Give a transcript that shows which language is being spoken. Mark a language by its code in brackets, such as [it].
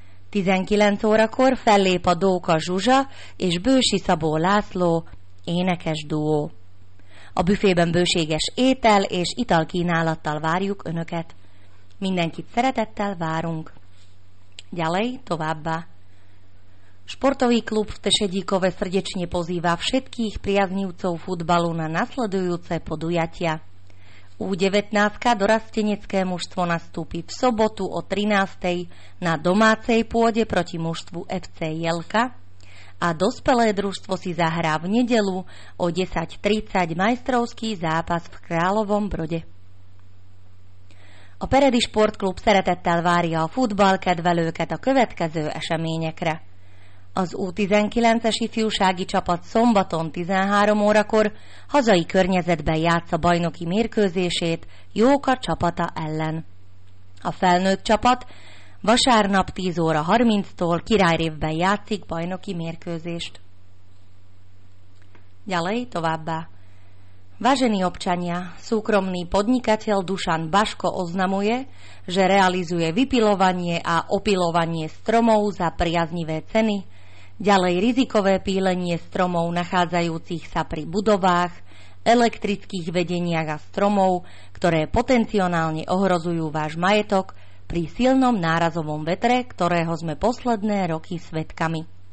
[hu] 19 órakor fellép a Dóka Zsuzsa és Bőši Szabó László énekes duó. A büfében bőséges étel és italkínálattal várjuk önöket. Mindenkit szeretettel várunk. [sk] Ďalej, [hu] továbbá. [sk] Športový klub v Tešedíkove srdečne pozýva všetkých priaznivcov futbalu na nasledujúce podujatia. U19 dorastenecké mužstvo nastúpi v sobotu o 13. na domácej pôde proti mužstvu FC Jelka a dospelé družstvo si zahrá v nedeľu o 10.30 majstrovský zápas v Královom Brode. [hu] A Peredi Sportklub szeretettel várja a futballkedvelőket a következő eseményekre. Az U19-es ifjúsági csapat szombaton 13 órakor hazai környezetben játsza bajnoki mérkőzését Jóka csapata ellen. A felnőtt csapat vasárnap 10 óra 30-tól Királyrévben játszik bajnoki mérkőzést. [sk] Ďalej, [hu] továbbá. [sk] Vážení občania, súkromný podnikateľ Dušan Baško oznamuje, že realizuje vypilovanie a opilovanie stromov za priaznivé ceny, Ďalej rizikové pílenie stromov nachádzajúcich sa pri budovách, elektrických vedeniach a stromov, ktoré potenciálne ohrozujú váš majetok pri silnom nárazovom vetre, ktorého sme posledné roky svedkami.